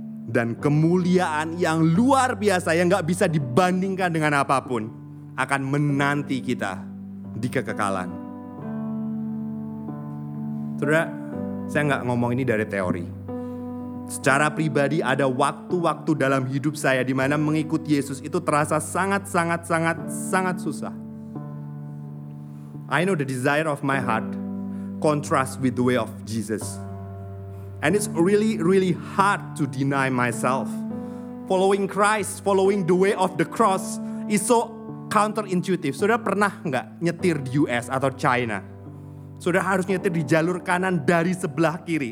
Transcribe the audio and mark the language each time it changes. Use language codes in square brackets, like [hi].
[id] Dan kemuliaan yang luar biasa, yang gak bisa dibandingkan dengan apapun, akan menanti kita di kekekalan. Saudara, saya gak ngomong ini dari teori. Secara pribadi ada waktu-waktu dalam hidup saya di mana mengikuti Yesus itu terasa sangat susah. [en] I know the desire of my heart contrasts with the way of Jesus. And it's really, really hard to deny myself. Following Christ, following the way of the cross is so counterintuitive. [id] Sudah pernah enggak nyetir di US atau China? Saudara harus nyetir di jalur kanan dari sebelah kiri.